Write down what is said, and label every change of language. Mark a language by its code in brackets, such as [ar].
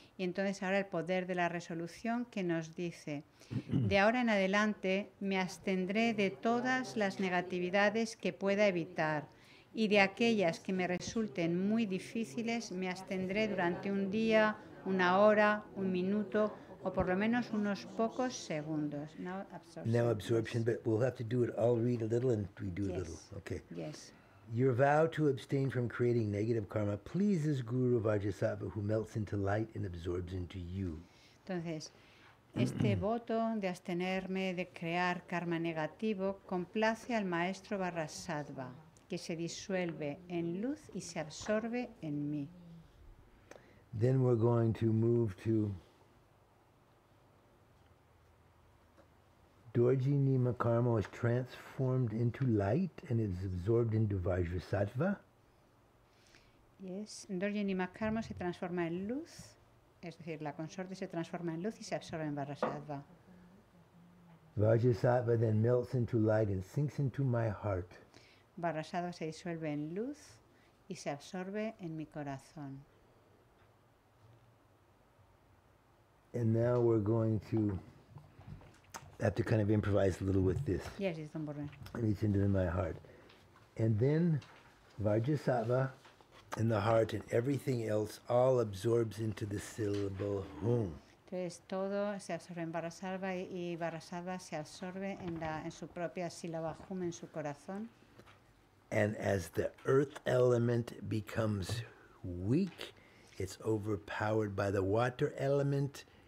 [es] Y entonces ahora el poder de la resolución que nos dice, de ahora en adelante me abstendré de todas las negatividades que pueda evitar y de aquellas que me resulten muy difíciles me abstendré durante un día, una hora, un minuto o por lo menos unos pocos segundos. [en] Now absorption, but we'll have to do it. I'll read a little and we do yes. A little. Okay. Yes. Your vow to abstain from creating negative karma pleases Guru Vajrasattva, who melts into light and absorbs into you. [es] Entonces, este voto de abstenerme de crear karma negativo complace al maestro Vajrasattva, que se disuelve en luz y se absorbe en mí. [en] Then we're going to move to Dorji Nima Karma is transformed into light and is absorbed into Vajrasattva. Yes, [es] Dorji Nima Karma se transforma en luz, es decir, la consorte se transforma en luz y se absorbe en Vajrasattva. [en] Vajrasattva then melts into light and sinks into my heart. [es] Vajrasattva se disuelve en luz y se absorbe en mi corazón. [en] And now we're going to I have to kind of improvise a little with this. Yes, it's on board. And it's into my heart. And then Vajrasattva in the heart and everything else all absorbs into the syllable HUM. [es] Entonces todo se absorbe en Vajrasattva y Vajrasattva se absorbe en su propia sílaba HUM en su corazón. [en] And as the earth element becomes weak, it's overpowered by the water element.